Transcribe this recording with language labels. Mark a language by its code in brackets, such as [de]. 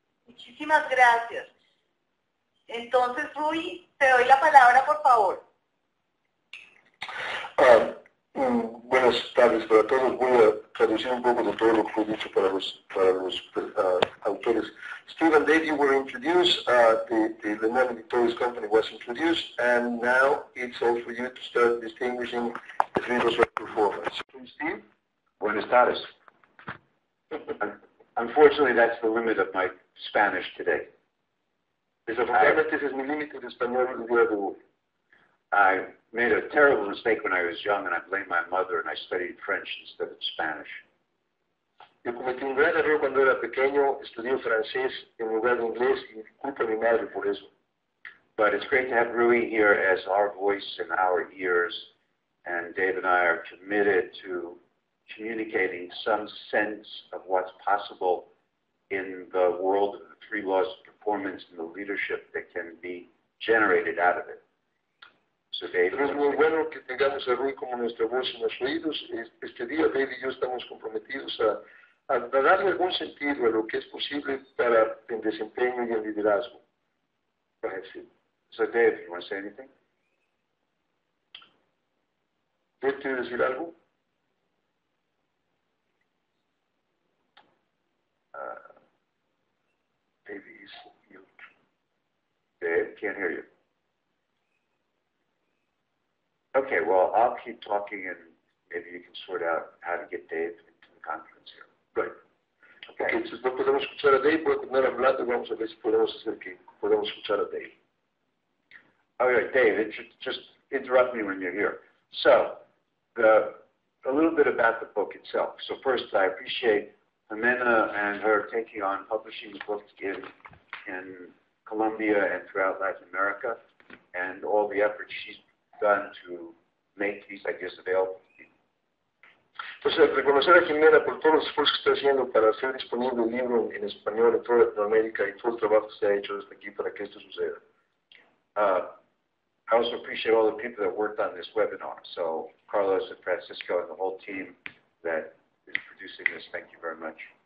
[es] Muchísimas gracias. Entonces, Rui, te doy la palabra, por favor. Buenas tardes para todos. Voy a traducir un poco de todo lo que fue dicho para los autores. [en] Steve and Dave, you were introduced. The Lennon Victorious Company was introduced, and now it's all for you to start distinguishing the three of us performance. [es] Steve? Buenas tardes. [en] Unfortunately, that's the limit of my Spanish today. This is my limited Spanish in the world. I made a terrible mistake when I was young, and I blamed my mother, and I studied French instead of Spanish. [es] Yo cometí un gran error cuando era pequeño, estudié francés en lugar de inglés, y culpa mi madre por eso. [en] But it's great to have Rui here as our voice and our ears, and Dave and I are committed to communicating some sense of what's possible in the world of the three laws of performance and the leadership that can be generated out of it. [es] Pero es muy bueno que tengamos a Rui como nuestra voz en los oídos. Este día, Dave y yo estamos comprometidos a darle algún sentido a lo que es posible para el desempeño y el liderazgo. [en] So, Dave, you want to say anything? [es] ¿Dave quiere decir algo? [en] Dave is mute. Dave, can't hear you. Okay, well, I'll keep talking and maybe you can sort out how to get Dave into the conference here. Right. Okay. [es] Okay, si no podemos escuchar a Dave, voy a poner a hablar y vamos a ver si podemos hacer que podemos escuchar a Dave. [en] Okay, Dave, just interrupt me when you're here. So, a little bit about the book itself. So first, I appreciate Jimena and her taking on publishing the book in Colombia and throughout Latin America and all the efforts she's done to make these ideas available. [es] Entonces, reconocer a Jimena por todos los esfuerzos que está haciendo para hacer disponible el libro en español en toda Latinoamérica y todo el trabajo que se ha hecho desde aquí para que esto suceda. [en] I also appreciate all the people that worked on this webinar. So, Carlos and Francisco and the whole team that is producing this, thank you very much.